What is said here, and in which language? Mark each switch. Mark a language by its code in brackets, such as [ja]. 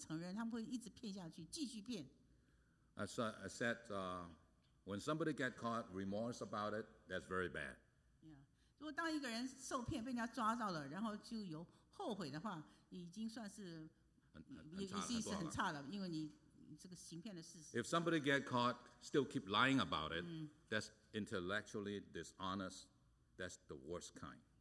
[zh] 这骗子当你被抓到以后，他们不会承认，他们会一直骗下去，继续骗。 [en] I said, when somebody gets caught, remorse about it, that's very bad. [zh] Yeah, 如果当一个人受骗被人家抓到了，然后就有后悔的话，已经算是很差了，因为你这个行骗的事实。 [en] If somebody gets caught, still keep lying about it, that's intellectually dishonest, that's the worst kind.